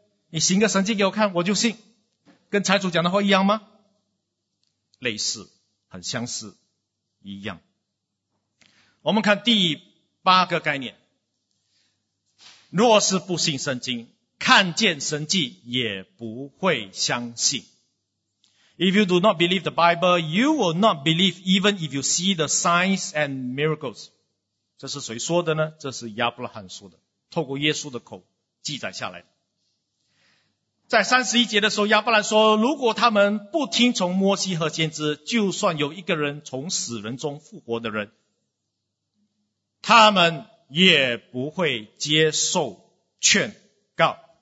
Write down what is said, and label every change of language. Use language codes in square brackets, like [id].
[zh] 你行个神迹给我看我就信，跟财主讲的话一样吗？类似，很相似，一样。我们看第八个概念，若是不信圣经，看见神迹也不会相信。 [en] If you do not believe the Bible, you will not believe even if you see the signs and miracles. [zh] 这是谁说的呢？这是亚伯拉罕说的，透过耶稣的口记载下来。在31节的时候，亚伯兰说，如果他们不听从摩西和先知，就算有一个人从死人中复活的人，他们也不会接受劝告。